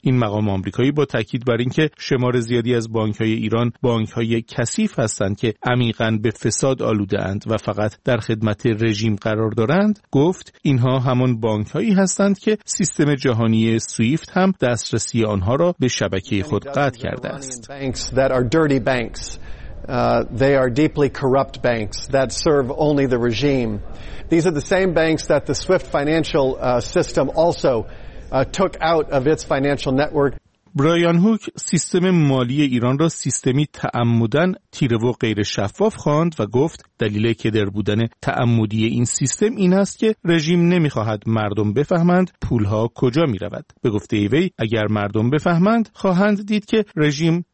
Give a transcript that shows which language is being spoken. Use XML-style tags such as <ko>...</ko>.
<fa>این مقام آمریکایی با تأکید بر اینکه شمار زیادی از بانک‌های ایران بانک‌های کثیف هستند که عمیقاً به فساد آلوده‌اند و فقط در خدمت رژیم قرار دارند، گفت اینها همان بانک‌هایی هستند که سیستم جهانی سویفت هم دسترسی آنها را به شبکه خود قطع کرده است.</fa> <en>They are deeply corrupt banks that serve only the regime. These are the same banks that the Swift financial system also took out of its financial network.</en> <fa>برایان هوک سیستم مالی ایران را سیستمی تعمدن تیره و غیر شفاف خواند و گفت دلیل کدر بودن تعمدی این سیستم این است که رژیم نمی‌خواهد مردم بفهمند پول‌ها کجا می‌رود. به گفته ای وی اگر مردم بفهمند خواهند دید که رژیم</fa>